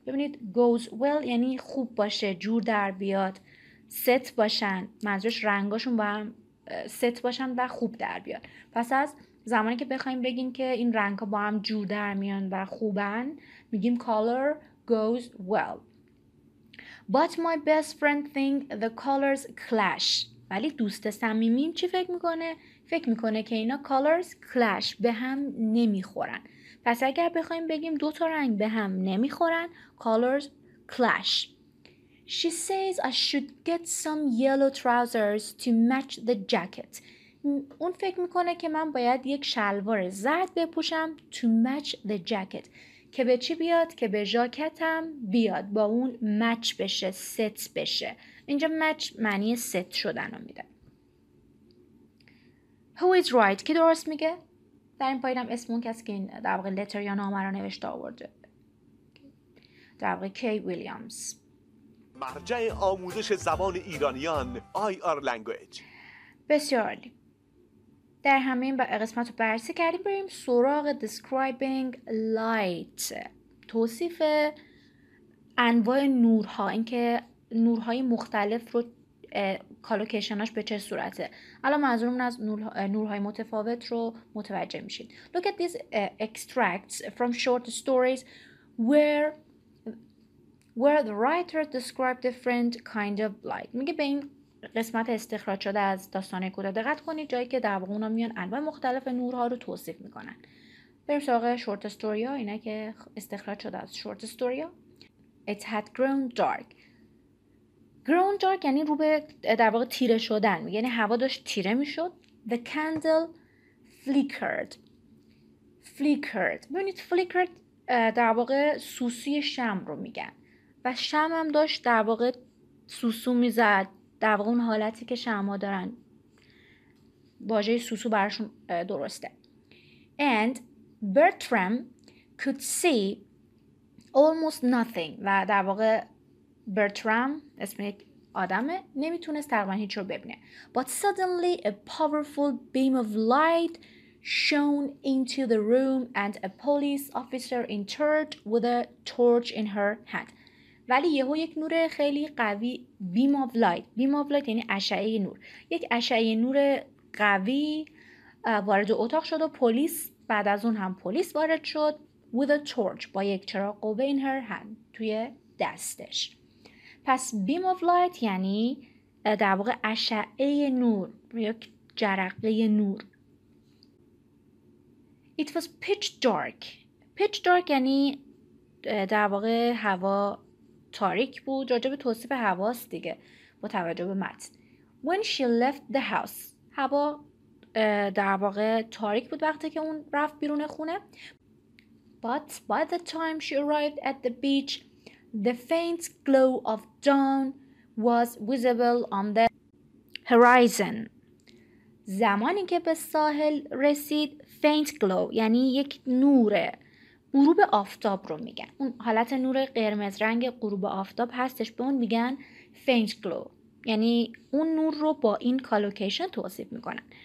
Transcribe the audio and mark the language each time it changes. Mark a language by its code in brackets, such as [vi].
[fa] ببینید goes well یعنی خوب باشه، جور در بیاد، set باشن، منظورش رنگاشون با هم set باشن و خوب در بیاد. پس از زمانی که بخوایم بگیم که این رنگ ها با هم جور در میان و خوبن، میگیم color goes well. [en] But my best friend think the colors clash. [fa] ولی دوست صمیمیم چی فکر میکنه؟ فکر میکنه که اینا colors clash، به هم نمیخورن. پس اگر بخوایم بگیم دو تا رنگ به هم نمیخورن، colors clash. [en] She says I should get some yellow trousers to match the jacket. [fa] اون فکر میکنه که من باید یک شلوار زرد بپوشم [en] to match the jacket، [fa] که به چی بیاد؟ که به ژاکتم بیاد، با اون match بشه، set بشه. اینجا match معنی set شدن رو میده. [en] Who is right؟ [fa] کی درست میگه؟ در این پایین هم اسم اون کسی که این در واقع letter یا نامه رو نوشته آورده، در واقع کی ویلیامز. مرجع آموزش زبان ایرانیان IR language. بسیار عالی. در همین قسمت رو بررسی کردیم، بریم سراغ describing light، توصیف انواع نورها، اینکه نورهای مختلف رو کالوکیشناش به چه صورته. الان منظورمون از نورهای متفاوت رو متوجه میشید. [en] Look at these extracts from short stories where the writer described different kind of light. [fa] میگه به این قسمت استخراج شده از داستان کوتاه دقت کنید، جایی که در واقع اونا میان انواع مختلف نورها رو توصیف میکنن. بریم سراغ شورت استوریا، اینا که استخراج شده از شورت استوریا. [en] It had grown dark. [fa] Grown dark یعنی رو به در واقع تیره شدن، یعنی هوا داشت تیره میشد. [en] The candle flickered. Flickered. [fa] ببینید flickered در واقع سوسوی شمع رو میگن. و شمع هم داشت در واقع سوسو میزد. در واقع اون حالتی که شما دارن، واژه سوسو براشون درسته. [en] And Bertram could see almost nothing. [fa] و در واقع Bertram اسم یک آدمه، نمیتونست تقریبا هیچ رو ببینه. [en] But suddenly a powerful beam of light shone into the room and a police officer entered with a torch in her hand. [fa] ولی یهو یک نور خیلی قوی، بیم آف لایت، بیم آف لایت یعنی اشعه نور، یک اشعه نور قوی وارد اتاق شد و پلیس بعد از اون هم پلیس وارد شد. [en] with a torch، [fa] با یک چراغ قوه [en] in her hand، [fa] توی دستش. پس بیم آف لایت یعنی در واقع اشعه نور، یک جرقه نور. [en] It was pitch dark. [fa] pitch dark یعنی در واقع هوا تاریک بود، راجب توصیف هواست دیگه با توجه به متن. [en] When she left the house، [fa] هوا در واقع تاریک بود وقتی که اون رفت بیرون خونه. [en] But by the time she arrived at the beach the faint glow of dawn was visible on the horizon. [fa] زمانی که به ساحل رسید، faint glow یعنی یک نوره غروب آفتاب رو میگن، اون حالت نور قرمز رنگ غروب آفتاب هستش، به اون میگن faint glow، یعنی اون نور رو با این کالوکیشن توصیف میکنن.